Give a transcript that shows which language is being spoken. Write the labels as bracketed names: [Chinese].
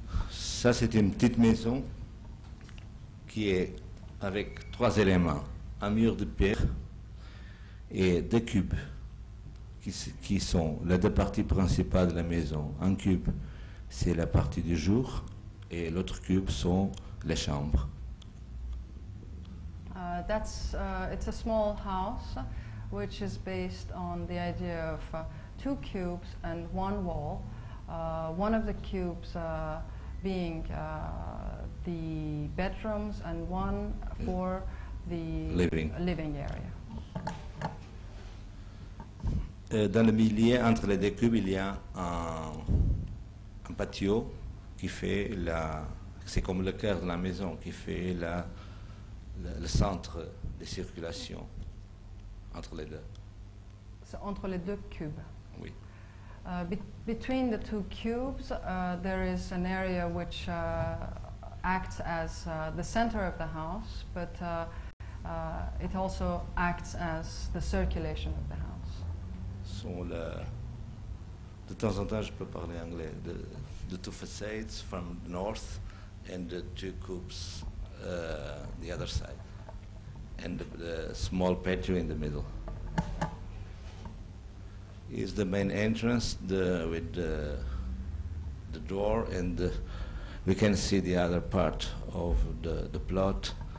[French] Ça c'est une petite maison qui est avec trois éléments, un mur de pierre et deux cubes qui sont les deux parties principales de la maison. Un cube, c'est la partie du jour et l'autre cube sont les chambres. [English] It's a small house which is based on the idea of two cubes and one wall. One of the cubes being the bedrooms and one for the living area. [French] Dans le milieu entre les deux cubes, il y a un patio qui fait la. C'est comme le cœur de la maison qui fait le centre de circulation entre les deux. So, entre les deux cubes. Oui. [English] Between the two cubes, there is an area which acts as the center of the house, but it also acts as the circulation of the house. [French] De temps en temps, je peux parler anglais. [English] The two facades from the north and the two coupes the other side. And the small patio in the middle. Is the main entrance with the door, and we can see the other part of the plot.